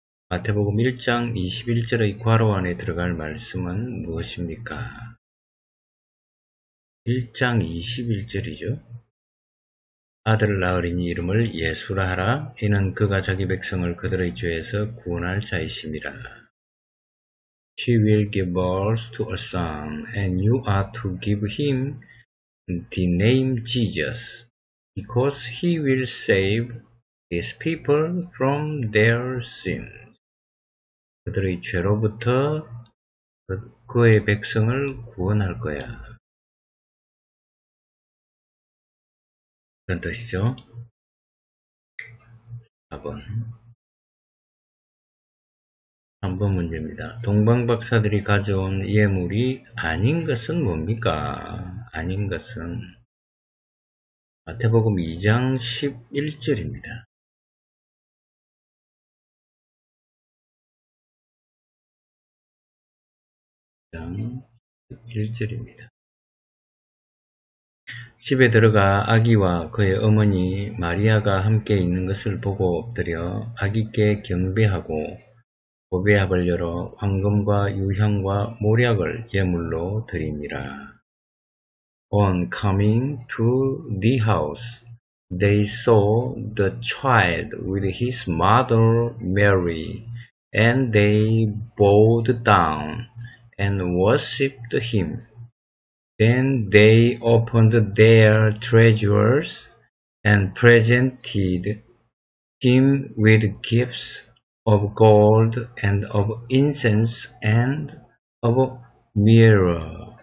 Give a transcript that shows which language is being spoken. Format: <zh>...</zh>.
<ko>마태복음 1장 21절의 괄호 안에 들어갈 말씀은 무엇입니까? 1장 21절이죠. 아들을 낳으리니 이름을 예수라 하라. 이는 그가 자기 백성을 그들의 죄에서 구원할 자이심이라.</ko> <en>She will give birth to a son, and you are to give him the name Jesus. Because he will save his people from their sins.</en> <ko>그들의 죄로부터 그의 백성을 구원할 거야. 그런 뜻이죠. 4번. 3번 문제입니다. 동방박사들이 가져온 예물이 아닌 것은 뭡니까? 아닌 것은. 마태복음 2장 11절입니다. 2장 11절입니다. 집에 들어가 아기와 그의 어머니 마리아가 함께 있는 것을 보고 엎드려 아기께 경배하고 보배함을 열어 황금과 유향과 몰약을 예물로 드립니다.</ko> <en>On coming to the house, they saw the child with his mother Mary, and they bowed down and worshipped him. Then they opened their treasures and presented him with gifts of gold and of incense and of myrrh.</en>